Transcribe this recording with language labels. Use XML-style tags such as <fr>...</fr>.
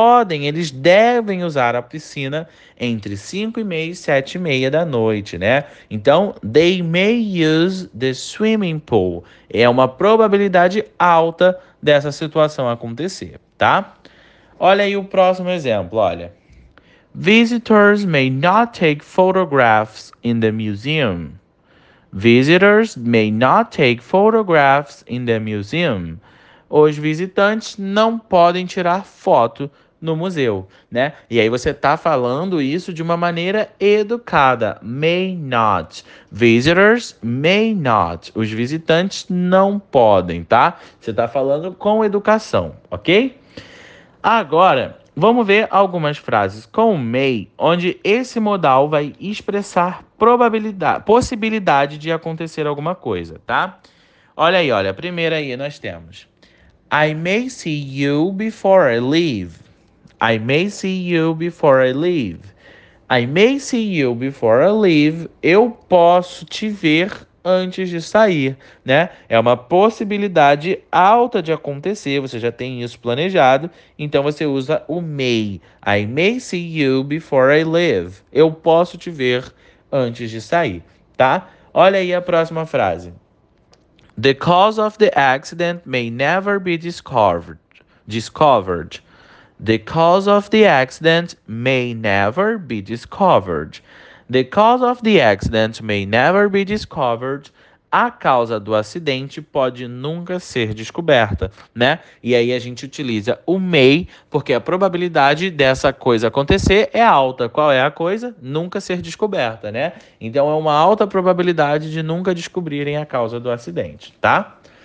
<pt>Eles devem usar a piscina entre 5:30 e 7:30 da noite, né? Então,</pt> <en>they may use the swimming pool.</en> <pt>É uma probabilidade alta dessa situação acontecer, tá? Olha aí o próximo exemplo, olha.</pt> <en>Visitors may not take photographs in the museum. Visitors may not take photographs in the museum.</en> <pt>Os visitantes não podem tirar foto no museu, né? E aí você está falando isso de uma maneira educada.</pt> <en>May not. Visitors may not.</en> <pt>Os visitantes não podem, tá? Você está falando com educação, ok? Agora, vamos ver algumas frases com may, onde esse modal vai expressar probabilidade, possibilidade de acontecer alguma coisa, tá? Olha aí, olha. A primeira aí nós temos...</pt> <en>I may see you before I leave. I may see you before I leave. I may see you before I leave.</en> <pt>Eu posso te ver antes de sair, né? É uma possibilidade alta de acontecer. Você já tem isso planejado. Então, você usa o may.</pt> <en>I may see you before I leave.</en> <pt>Eu posso te ver antes de sair, tá? Olha aí a próxima frase.</pt> <en>The cause of the accident may never be discovered. The cause of the accident may never be discovered. The cause of the accident may never be discovered.</en> <pt>A causa do acidente pode nunca ser descoberta, né? E aí a gente utiliza o may, porque a probabilidade dessa coisa acontecer é alta. Qual é a coisa? Nunca ser descoberta, né? Então é uma alta probabilidade de nunca descobrirem a causa do acidente, tá?</pt>